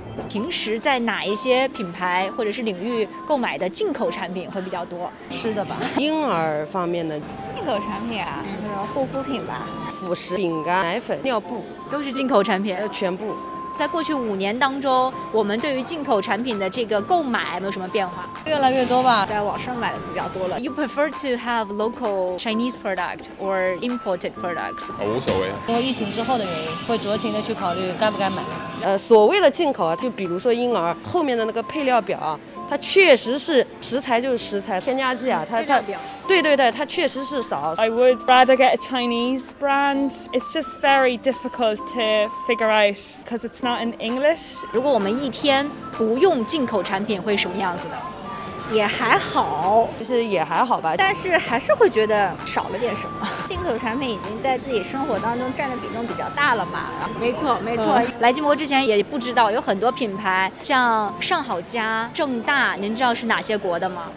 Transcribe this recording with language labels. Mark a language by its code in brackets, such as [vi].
[zh] 平时在哪一些品牌或者是领域购买的进口产品会比较多？吃的吧，婴儿方面的进口产品啊，还有护肤品吧，辅食、饼干、奶粉、尿布都是进口产品，全部。在过去五年当中，我们对于进口产品的这个购买有没有什么变化？越来越多吧，在网上买的比较多了。 [en] You prefer to have local Chinese product or imported products？ [zh] 无所谓。因为疫情之后的原因，会酌情的去考虑该不该买。所谓的进口啊，就比如说婴儿后面的那个配料表啊，它确实是食材就是食材，添加剂啊，它配料表。对对对，它确实是少。 [en] I would rather get a Chinese brand. It's just very difficult to figure out because it's not in English. [zh] 如果我们一天不用进口产品，会什么样子的？也还好，其实也还好吧，但是还是会觉得少了点什么。进口产品已经在自己生活当中占的比重比较大了嘛。没错没错、来金博之前也不知道有很多品牌，像上好佳、正大，您知道是哪些国的吗？